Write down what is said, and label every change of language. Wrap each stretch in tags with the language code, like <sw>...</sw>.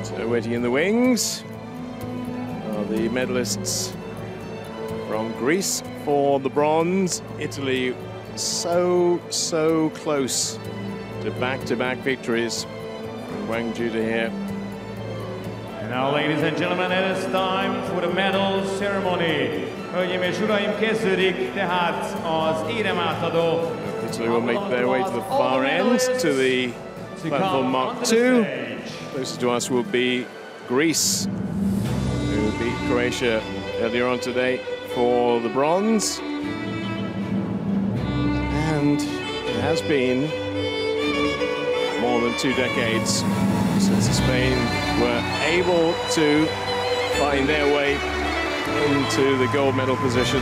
<en>waiting in the wings are the medalists from Greece for the bronze. Italy so close to back-to-back victories. Wang Judah here. Now, ladies and gentlemen, it is time for the medal ceremony.</en> <hu>Hölgyeim és uraim, kezdődik tehát az éremátadó.</hu> <en>Italy will make their way to the far end, to the platform mark two. Closer to us will be Greece, who beat Croatia earlier on today for the bronze. And it has been more than two decades since Spain were able to find their way into the gold medal position.</en>